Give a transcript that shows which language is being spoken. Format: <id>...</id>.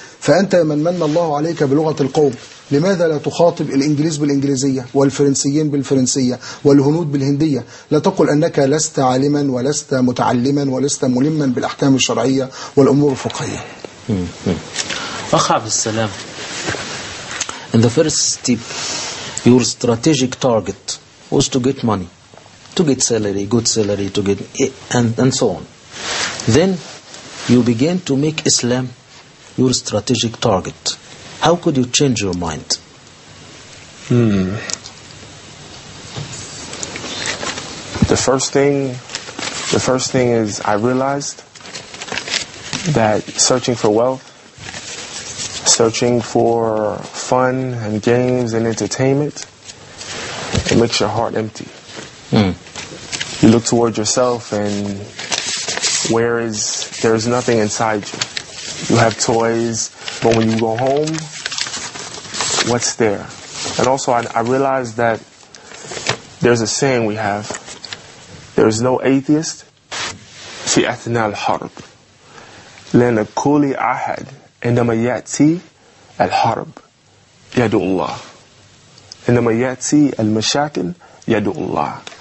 <ar>فأنت من من الله عليك بلغة القوم، لماذا لا تخاطب الإنجليز بالإنجليزية والفرنسيين بالفرنسية والهنود بالهندية؟ لا تقل أنك لست عالما ولست متعلما ولست ملما بالأحكام الشرعية والأمور الفقهية. أخا عبد السلام،</ar> <en>in the first step your strategic target was to get money, to get salary, good salary, to get and so on. Then you began to make Islam your strategic target. How could you change your mind? The first thing is I realized that searching for wealth, searching for fun and games and entertainment, it makes your heart empty. You look toward yourself and there's nothing inside you. You have toys, but when you go home, what's there? And also I realized that there's a saying we have, there's no atheist</en> <ar>في أثناء الحرب لأن كل أحد عندما يأتي الحرب يدعو الله عندما يأتي المشاكل يدعو الله.</ar>